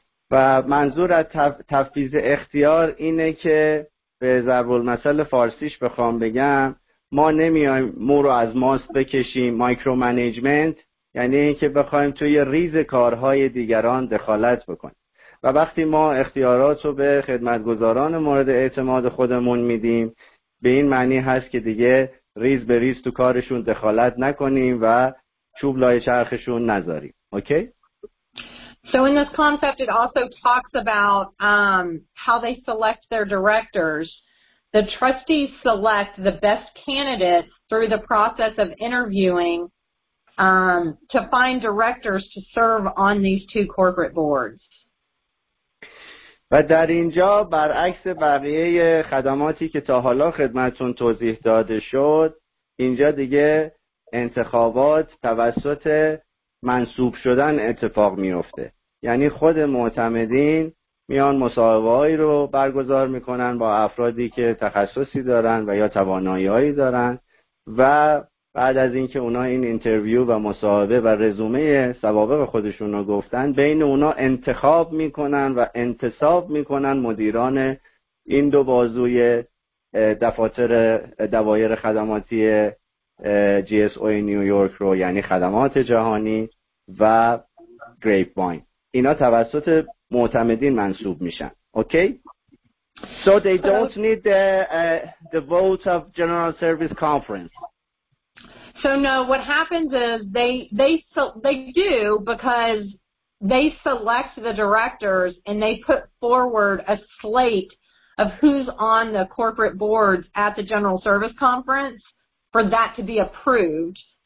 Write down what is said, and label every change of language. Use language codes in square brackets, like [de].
[fa] و منظور از تفویض اختیار اینه که به ضرب المثل فارسیش بخوام بگم ما نمیایم مو رو از ماست بکشیم، مایکرو منیجمنت یعنی اینکه بخوایم توی ریز کارهای دیگران دخالت بکنیم. و وقتی ما اختیارات رو به خدمتگزاران مورد اعتماد خودمون میدیم، به این معنی هست که دیگه ریز به ریز تو کارشون دخالت نکنیم و چوب لای چرخشون نذاریم. اوکی؟ [en] So in this concept it also talks about how they select their directors. The trustees select the best candidates through the process of interviewing to find directors to serve on these two corporate boards. [fa] و در اینجا برعکس بقیه خدماتی که تا حالا خدمتتون توضیح داده شد، اینجا دیگه انتخابات توسط منصوب شدن اتفاق میفته. یعنی خود معتمدین میان مصاحبه‌ای رو برگزار میکنن با افرادی که تخصصی دارن و یا توانایی‌هایی دارن و بعد از اینکه اونا این اینترویو و مصاحبه و رزومه سوابق خودشون رو گفتن، بین اونا انتخاب میکنن و انتصاب میکنن مدیران این دو بازوی دفاتر دوایر خدماتی جی اس او نیویورک رو، یعنی خدمات جهانی و گریپ واین. اینا توسط معتمدین منصوب میشن. [en] Okay? So they don't need the vote of General Service Conference. So no, what happens is they do, because they select the directors and they put forward a slate of who's on the corporate boards at the General Service Conference for that to be approved.